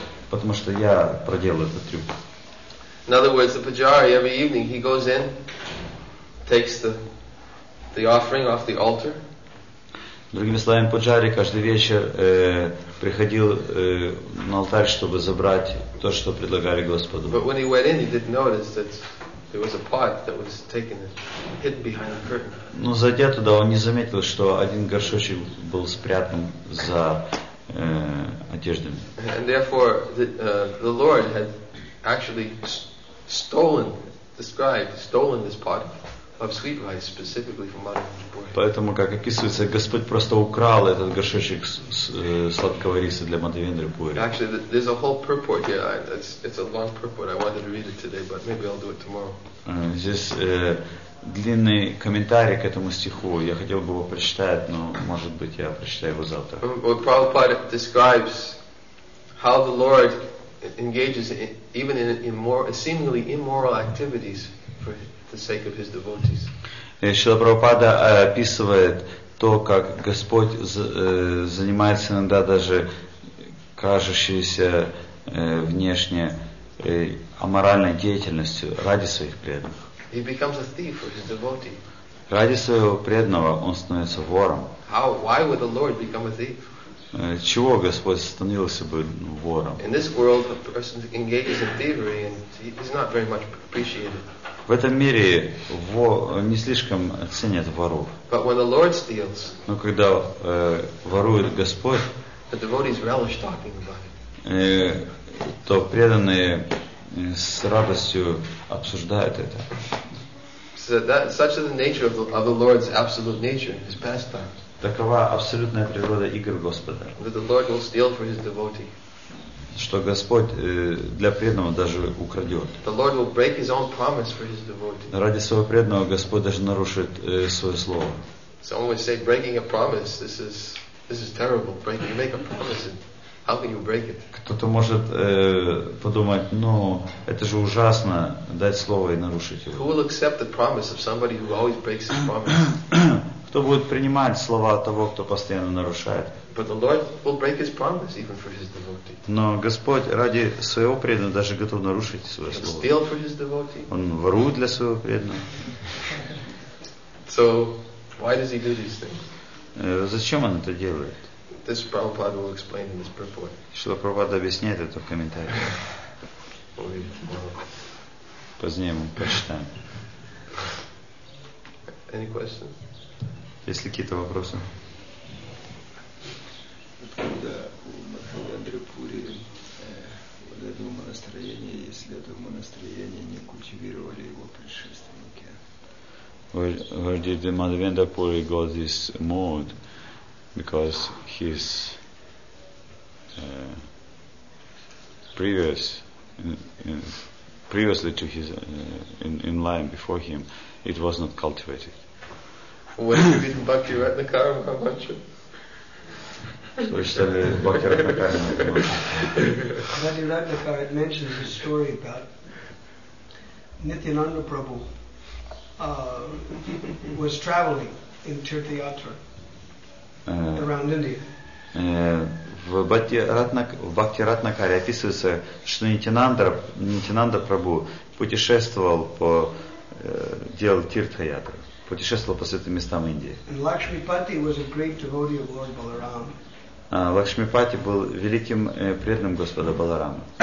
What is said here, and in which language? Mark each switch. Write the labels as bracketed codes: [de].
[ru] Потому что я проделал этот трюк. [en] In other words, the pujari every evening he goes in, takes the offering off the altar. [ru] Другими словами, пуджари каждый вечер приходил на алтарь, чтобы забрать то, что предлагали Господу. [en] But when he went in, he didn't notice that there was a pot that was taken and hidden behind the curtain. [ru] Но зайдя туда, он не заметил, что один горшочек был спрятан за одеждами. [en] And therefore, the Lord had actually stolen this pot of sweet rice specifically from Madhavendrapuri. [ru] Поэтому, как описывается, Господь просто украл этот горшочек сладкого риса для Мадхавендрапури. [en] Actually, there's a whole purport here. It's a long purport. I wanted to read it today, but maybe I'll do it tomorrow. [ru] Здесь длинный комментарий к этому стиху. Я хотел бы его прочитать, но, может быть, я прочитаю его завтра. [en] Well, Prabhupada describes how the Lord engages even in seemingly immoral activities for the sake of his devotees. [ru] Шрила Прабхупада описывает то, как Господь занимается иногда даже кажущейся внешне аморальной деятельностью ради своих преданных. [en] He becomes a thief for his devotee. [ru] Ради своего преданного он становится вором. [en] How? Why would the Lord become a thief? [ru] Чего Господь становился бы вором? [en] In this world, a person engages in thievery and he's not very much appreciated. [ru] В этом мире не слишком ценят воров. [en] But when the Lord steals, [ru] но когда ворует Господь, [en] the devotees relish talking about it. [ru] То преданные с радостью обсуждают это. [en] Such is the nature of the Lord's absolute nature, his pastime. [ru] Такова абсолютная природа игр Господа. [en] That the Lord will steal for his devotee. [ru] Что Господь для преданного даже украдет. [en] The Lord will break his own promise for his devotee. [ru] Ради своего преданного Господь даже нарушит свое слово. [en] Some would say breaking a promise, this is terrible. You make a promise and how can you break it? [ru] Кто-то может подумать, ну, это же ужасно, дать слово и нарушить его. [en] Who will accept the promise of somebody who always breaks his promise? [ru] Кто будет принимать слова того, кто постоянно нарушает? [en] But the Lord will break his promise even for his devotee. [ru] Но Господь ради своего преданного даже готов нарушить свое слово. [en] He'll steal for his devotee. [ru] Он ворует для своего преданного. [en] So, why does he do these things? [ru] Зачем он это делает? [en] This Prabhupada will explain in this purport. [ru] Шрила Прабхупада объясняет это в комментариях. Позднее мы прочитаем. [en] Any questions? [ru] Есть ли какие-то вопросы? Откуда у Мадхавендрапури вот это умонастроение, если это умонастроение не культивировали его предшественники? [en] Where did the Мадхавендрапури got this mood? Because his previously to his in line before him, it was not cultivated. When you didn't buck your retina car, how much? [ru] Вишталь Бхактира Прокарина. [en] Bhakti Radha Karat mentions a story about Nityananda Prabhu was traveling in Tirtha Yatra around India. [ru] В Бхакти Ратнакаре описывается, что Нитянанда Прабху путешествовал по делу Тиртха Ятры, путешествовал по святым местам Индии. Лакшмипати был великим преданным Господа Баларама.